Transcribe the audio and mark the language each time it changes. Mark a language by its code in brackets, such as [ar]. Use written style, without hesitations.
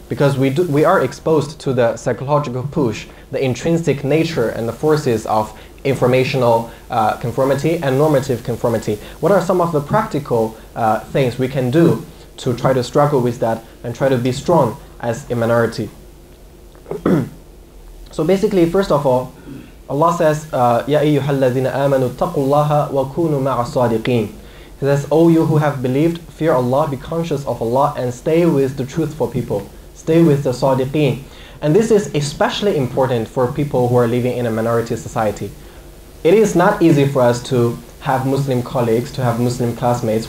[en] Because we are exposed to the psychological push, the intrinsic nature and the forces of informational conformity and normative conformity. What are some of the practical things we can do to try to struggle with that and try to be strong as a minority? So basically, first of all, Allah says, [ar] يَا أَيُّهَا الَّذِينَ آمَنُوا اتَّقُوا اللَّهَ وَكُونُوا مَعَ الصَّادِقِينَ. [en] He says, O you who have believed, fear Allah, be conscious of Allah, and stay with the truthful people. Stay with the sadiqeen. And this is especially important for people who are living in a minority society. It is not easy for us to have Muslim colleagues, to have Muslim classmates.